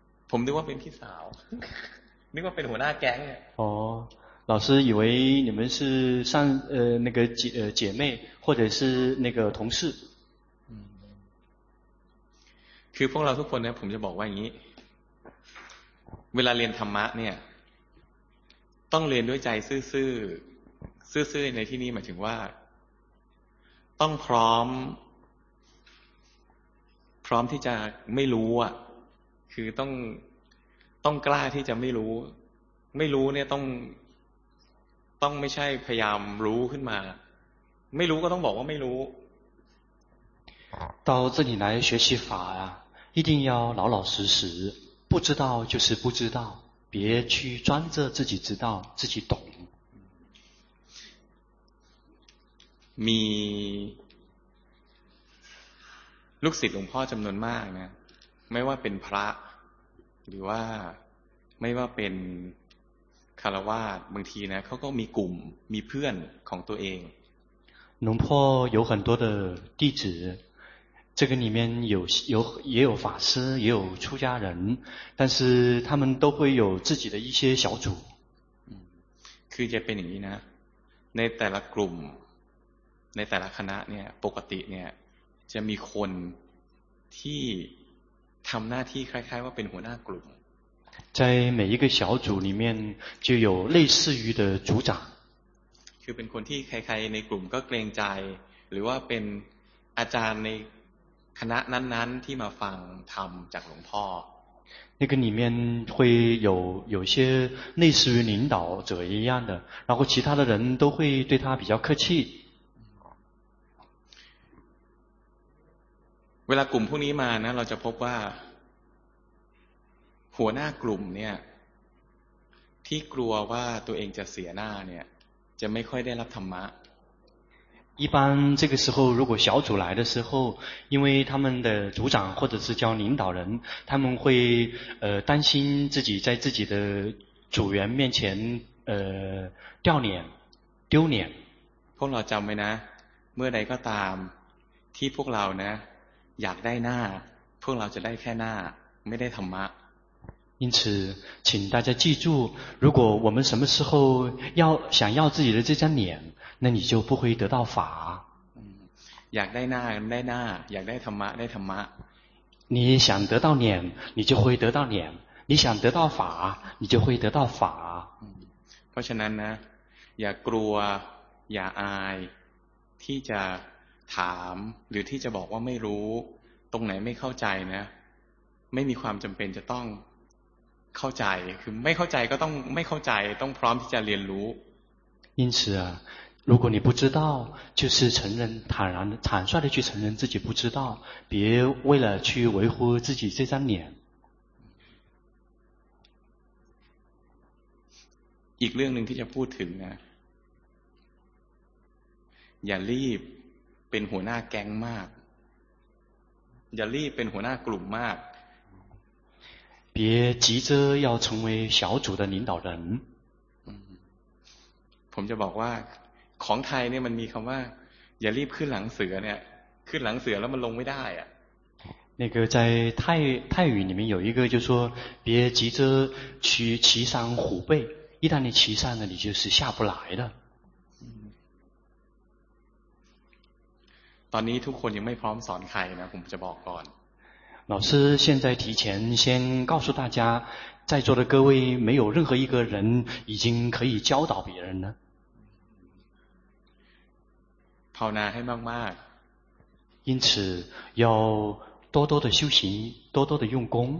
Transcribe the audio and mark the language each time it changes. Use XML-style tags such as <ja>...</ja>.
<th>ผมนึกว่าเป็นพี่สาวนึกว่าเป็นหัวหน้าแก๊ง อ๋อ</th> <zh>老师以为你们是上那个姐妹或者是那个同事</zh> <th>คือพวกเราทุกคนนะผมจะบอกว่าอย่างนี้เวลาเรียนธรรมะเนี่ยต้องเรียนด้วยใจซื่อในที่นี้หมายถึงว่าต้องพร้อมที่จะไม่รู้อ่ะคือต้องกล้าที่จะไม่รู้เนี่ยต้องไม่ใช่พยายามรู้ขึ้นมาไม่รู้ก็ต้องบอกว่าไม่รู้</th> <zh>到这里来学习法啊一定要老老实实不知道就是不知道别去装着自己知道自己懂</zh> <th>มีลูกศิษย์หลวงพ่อจำนวนมากนะไม่ว่าเป็นพระหรือว่าไม่ว่าเป็นคารวาสบางทีนะเขาก็มีกลุ่มมีเพื่อนของตัวเอง</th> <zh>หลวงพ่อ有很多的弟子这个里面有也有法师也有出家人但是他们都会有自己的一些小组</zh> <th>คือจะเป็นอย่างนี้นะในแต่ละกลุ่มในแต่ละคณะเนี่ยปกติเนี่ยจะมีคนที่ทำหน้าที่คล้ายๆว่าเป็นหัวหน้ากลุ่ม</th> <zh>在每一个小组里面就有类似于的组长</zh> <th>คือเป็นคนที่ใครๆในกลุ่มก็เกรงใจหรือว่าเป็นอาจารย์ในคณะนั้นๆที่มาฟังธรรมจากหลวงพ่อ</th> <zh>那个里面会有些类似于领导者一样的然后其他的人都会对他比较客气</zh> <th>เวลากลุ่มพวกนี้มานะเราจะพบว่าหัวหน้ากลุ่มเนี่ยที่กลัวว่าตัวเองจะเสียหน้าเนี่ยจะไม่ค่อยได้รับธรรมะ</th> <zh>一般这个时候如果小组来的时候，因为他们的组长或者是叫领导人，他们会担心自己在自己的组员面前掉脸丢脸。</zh> <th>พวกเราจำไว้นะเมื่อใดก็ตามที่พวกเรานะอยากได้หน้าพวกเราจะได้แค่หน้าไม่ได้ธรรมะ</th> <zh>因此请大家记住，如果我们什么时候要想要自己的这张脸，那你就不会得到法。</zh> <th>อยากได้หน้าได้หน้าอยากได้ธรรมะได้ธรรมะ</th> <zh>你想得到脸你就会得到脸，你想得到法你就会得到法。</zh> <th>เพราะฉะนั้นนะอย่ากลัวอย่าอายที่จะถามหรือที่จะบอกว่าไม่รู้ตรงไหนไม่เข้าใจนะไม่มีความจำเป็นจะต้องเข้าใจคือไม่เข้าใจก็ต้องไม่เข้าใจต้องพร้อมที่จะเรียนรู้</th> <zh>因此如果你不知道就是承认坦然坦率的去承认自己不知道别为了去维护自己这张脸</zh> <th>อีกเรื่องนึงที่จะพูดถึงนะอย่ารีบเป็นหัวหน้าแก๊งมากอย่ารีบเป็นหัวหน้ากลุ่มมาก</th> <zh>别急着要成为小组的领导人</zh> <th>ผมจะบอกว่าของไทยเนี่ยมันมีคำว่าอย่ารีบขึ้นหลังเสือเนี่ยขึ้นหลังเสือแล้วมันลงไม่ได้อ่ะ</th> <zh>那个在泰语里面有一个就说别急着去骑上虎背一旦你骑上了你就是下不来的</zh> <th>ตอนนี้ทุกคนยังไม่พร้อมสอนใครนะผมจะบอกก่อน</th> <zh>老师现在提前先告诉大家在座的各位没有任何一个人已经可以教导别人呢</zh> <th>ภาวนาให้มาก</th> <zh>ๆ因此要多多的修行多多的用功</zh>